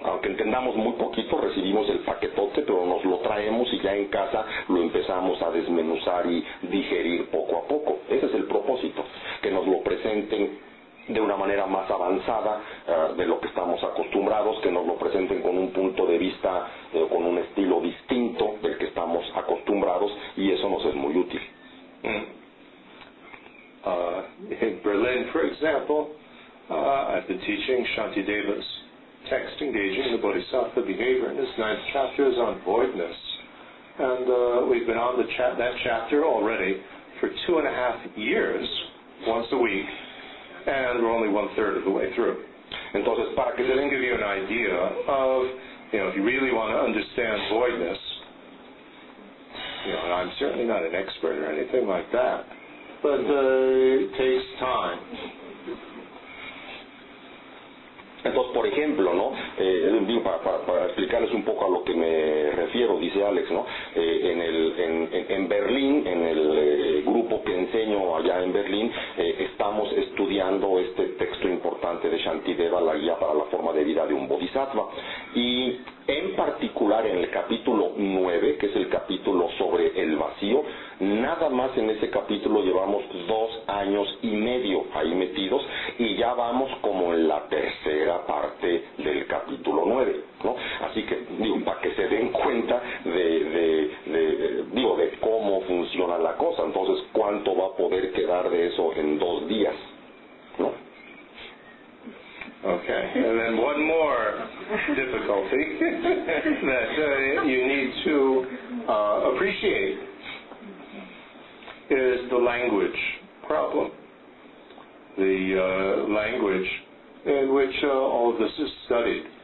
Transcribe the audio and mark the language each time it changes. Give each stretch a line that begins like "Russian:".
Spanish: Aunque entendamos muy poquito, recibimos el paquetote, pero nos lo traemos y ya en casa lo empezamos a desmenuzar y digerir poco a poco. Ese es el propósito, que nos lo presenten de una manera más avanzada de lo que estamos acostumbrados, que nos lo presenten con un punto de vista, con un estilo distinto del que estamos acostumbrados, y eso nos es muy útil.
English: In Berlin, for example, I've been teaching Shantideva's text engaging the Bodhisattva behavior, and this ninth chapter is on voidness. And we've been on that chapter already for 2.5 years, once a week, and we're only 1/3 of the way through.
Spanish: Entonces, para que se den,
English: give you an idea of, you know, if you really want to understand voidness, you know, and I'm certainly not an expert or anything like that, but it takes time.
Spanish: Entonces, por ejemplo, ¿no? Para explicarles un poco a lo que me refiero, dice Alex, ¿no? En Berlín, en el grupo que enseño allá en Berlín, estamos estudiando este texto importante de Shantideva, la guía para la forma de vida de un bodhisattva. Y en particular en el capítulo 9, que es el capítulo sobre el vacío, nada más en ese capítulo llevamos 2 años y medio ahí metidos, y ya vamos como en la tercera parte del capítulo 9, ¿no? Así que, digo, para que se den cuenta de cómo funciona la cuánto va a poder quedar de eso en dos días. No.
English: Okay, and then one more difficulty that you need to appreciate is the language problem. The language in which all of this is studied.